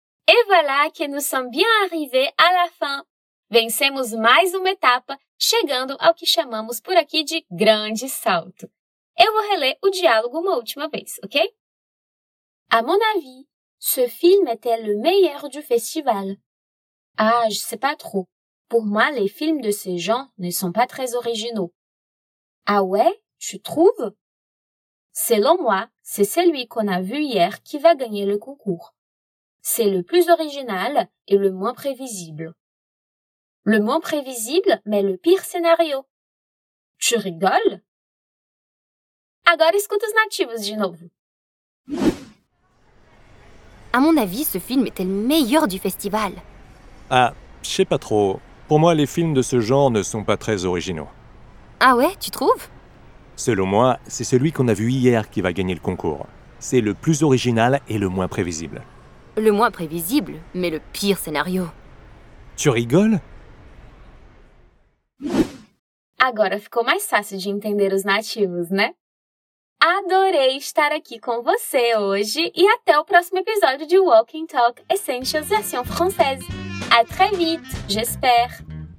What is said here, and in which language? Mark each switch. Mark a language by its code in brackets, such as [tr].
[fr] Et voilà que nous sommes bien arrivés à la fin. [pt] Vencemos mais uma etapa, chegando ao que chamamos por aqui de grande salto. Eu vou reler o diálogo uma última vez, ok? [fr] À mon avis, ce film était le meilleur du festival. Ah, je sais pas trop. Pour moi, les films de ce genre ne sont pas très originaux. Ah ouais, tu trouves? Selon moi, c'est celui qu'on a vu hier qui va gagner le concours. C'est le plus original et le moins prévisible. Le moins prévisible, mais le pire scénario. Tu rigoles? [pt] Agora escuta os nativos de novo. [fr] À mon avis, ce film était le meilleur du festival. Ah, je sais pas trop. Pour moi, les films de ce genre ne sont pas très originaux. Ah ouais, tu trouves? Selon moi, c'est celui qu'on a vu hier qui va gagner le concours. C'est le plus original et le moins prévisible. Le moins prévisible, mais le pire scénario. Tu rigoles? [pt] Agora ficou mais fácil de entender os nativos, né? Adorei estar aqui com você hoje e até o próximo episódio de Walking Talk Essentials Version Française. [fr] À très vite, j'espère!